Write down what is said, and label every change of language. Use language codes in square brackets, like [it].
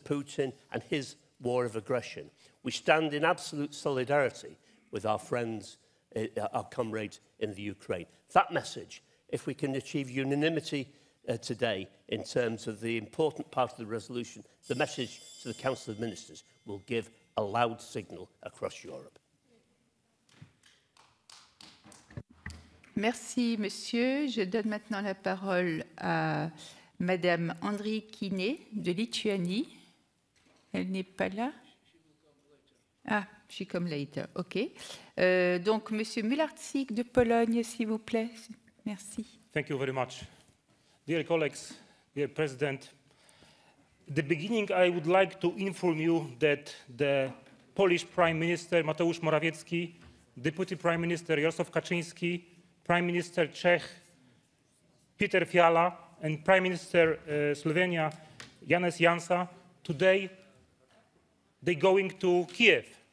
[en] Putin and his war of aggression. We stand in absolute solidarity with our friends, our comrades in the Ukraine. That message, if we can achieve unanimity today in terms of the important part of the resolution, the message to the Council of Ministers will give a loud signal across Europe. [fr] Merci, monsieur. Je donne maintenant la parole à Madame Andry Kiné de Lituanie. Elle n'est pas là. [en] Ah, she come later. OK. [fr] Donc, Monsieur Mularczyk de Pologne, s'il vous plaît. Merci. [en] Thank you very much. Dear colleagues, dear President, at the beginning, I would like to inform you that the Polish Prime Minister Mateusz Morawiecki, Deputy Prime Minister Jarosław Kaczyński, Prime Minister Czech Peter Fiala, and Prime Minister Slovenia Janez Janša, today they're going to Kiev.